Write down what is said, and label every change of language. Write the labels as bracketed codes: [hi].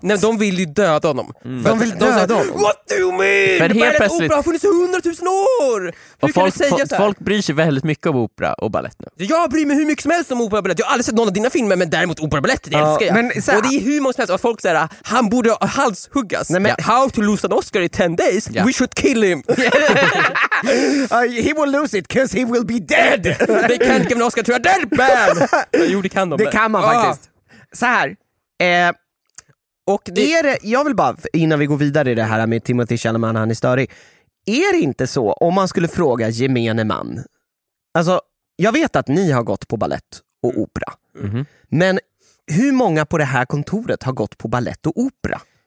[sv] Nej, de vill ju döda honom. Mm. De vill döda honom? [en] What do you mean? [sv] Ballett och opera funnits 100 000 år! Och folk bryr sig väldigt mycket om opera och ballett nu. Jag bryr mig hur mycket som helst om opera och ballett. Jag har aldrig sett någon av dina filmer, men däremot opera och ballett, det älskar jag. Men, såhär, och det är hur många som helst. Och folk säger att han borde halshuggas. Nej, men, [en] how to lose an Oscar in 10 days? Yeah. We should kill him. He will lose it, because he will be dead! They can't give an Oscar to a dead man! [sv] Jo, det kan de. Det kan man faktiskt. Så här. Och det, jag vill bara, innan vi går vidare i det här med Timothy Chalamet, han är störig. Är det inte så, om man skulle fråga gemene man, alltså, jag vet att ni har gått på ballett och opera. Mm-hmm. Men hur många på det här kontoret har gått på ballett och opera?